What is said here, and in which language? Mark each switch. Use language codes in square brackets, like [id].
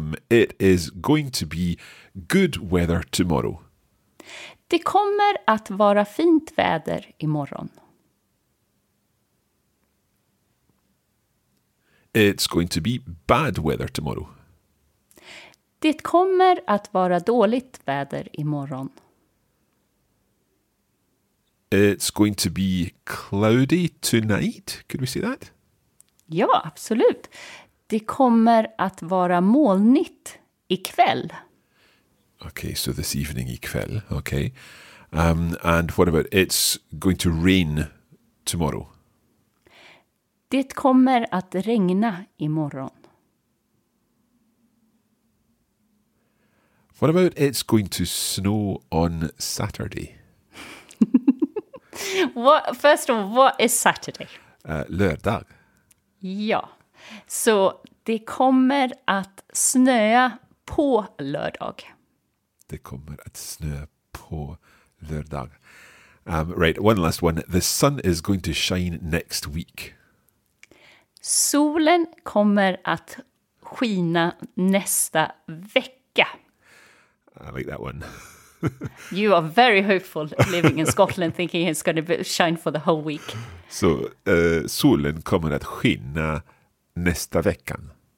[en] It is going to be good weather tomorrow. [sv] Det kommer att vara fint väder imorgon. [en] It's going to be bad weather tomorrow. [sv] Det kommer att vara dåligt väder imorgon. [en] It's going to be cloudy tonight. Could we say that? [sv] Ja, absolut. Det kommer att vara molnigt ikväll. [en] Okay, so this evening ikväll. Okay. And what about it's going to rain tomorrow? [sv] Det kommer att regna imorgon. [en] What about it's going to snow on Saturday? What is Saturday? [sv] Lördag. Ja. Så det kommer att snöa på lördag. Det kommer att snöa på lördag. [en] Right, one last one. The sun is going to shine next week. [sv] Solen kommer att skina nästa vecka. [en] I like that one. You are very hopeful living in Scotland, thinking it's going to shine for the whole week. So, [sv] solen kommer att skina nästa veckan.